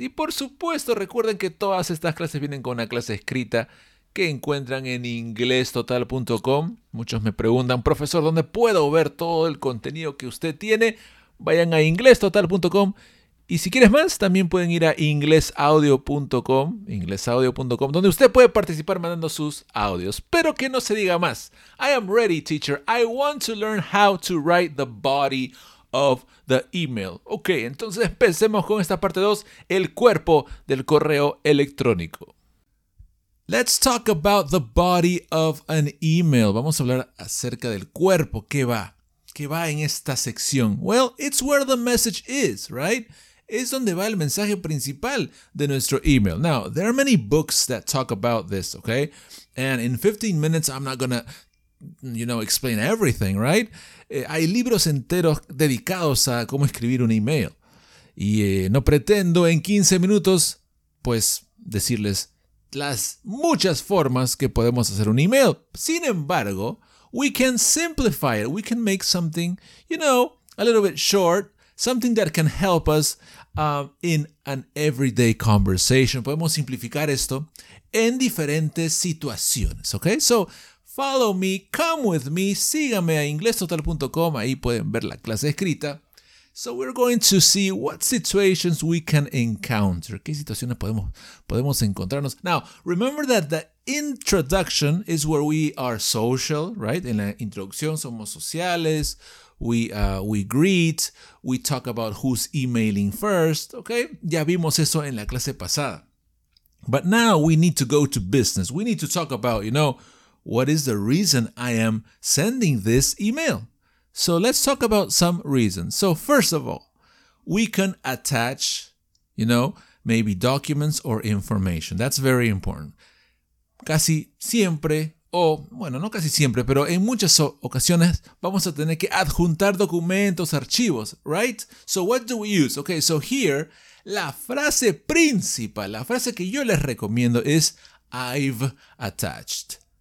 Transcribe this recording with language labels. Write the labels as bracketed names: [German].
[Spanish] Y por supuesto, recuerden que todas estas clases vienen con una clase escrita que encuentran en inglestotal.com. Muchos me preguntan, profesor, ¿dónde puedo ver todo el contenido que usted tiene? Vayan a inglestotal.com. Y si quieres más, también pueden ir a inglesaudio.com, inglesaudio.com, donde usted puede participar mandando sus audios. Pero que no se diga más. [English] I am ready, teacher. I want to learn how to write the body of the email. [Spanish] Ok, entonces empecemos con esta parte 2, el cuerpo del correo electrónico. [English] Let's talk about the body of an email. [Spanish] Vamos a hablar acerca del cuerpo. ¿Qué va? ¿Qué va en esta sección? [English] Well, it's where the message is, right? [Spanish] Es donde va el mensaje principal de nuestro email. [English] Now, there are many books that talk about this, okay? And in 15 minutes, I'm not gonna, you know, explain everything, right? [Spanish] Hay libros enteros dedicados a cómo escribir un email. Y no pretendo en 15 minutos, pues, decirles las muchas formas que podemos hacer un email. Sin embargo, [English] we can simplify it. We can make something, you know, a little bit short, something that can help us in an everyday conversation. [Spanish] Podemos simplificar esto en diferentes situaciones, okay? [English] So, follow me, come with me, [Spanish] sígame a inglestotal.com, ahí pueden ver la clase escrita. [English] So we're going to see what situations we can encounter. [Spanish] ¿Qué situaciones podemos encontrarnos? [English] Now, remember that the introduction is where we are social, right? [Spanish] En la introducción somos sociales. [English] We greet. We talk about who's emailing first. Okay? [Spanish] Ya vimos eso en la clase pasada. [English] But now we need to go to business. We need to talk about, you know, what is the reason I am sending this email? So let's talk about some reasons. So first of all, we can attach, you know, maybe documents or information. That's very important. [Spanish] Casi siempre, o bueno, no casi siempre, pero en muchas ocasiones vamos a tener que adjuntar documentos, archivos, right? [English] So what do we use? Okay, so here, [Spanish] la frase principal, la frase que yo les recomiendo es [English] I've attached.